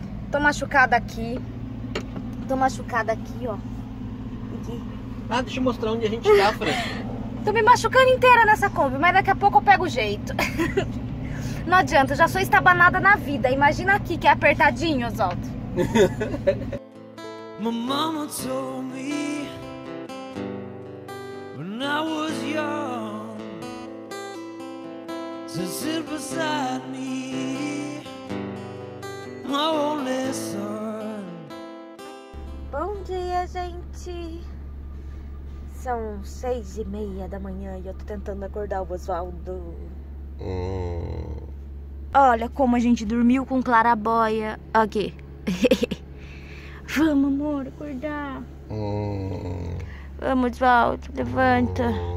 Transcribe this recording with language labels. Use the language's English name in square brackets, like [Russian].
[Portuguese] Tô machucada aqui. Tô machucada aqui, ó. Aqui. Ah, deixa eu mostrar onde a gente tá, Fran. Tô me machucando inteira nessa Kombi, mas daqui a pouco eu pego o jeito. Não adianta, eu já sou estabanada na vida. Imagina aqui que é apertadinho, Oswaldo. [English] My mama told me when I was young to sit beside me, my only son. [Portuguese] Bom dia, gente. São 6:30 da manhã e eu tô tentando acordar o Oswaldo. Olha como a gente dormiu com clarabóia. Aqui. Vamos, amor, acordar. Vamos, Oswaldo, levanta.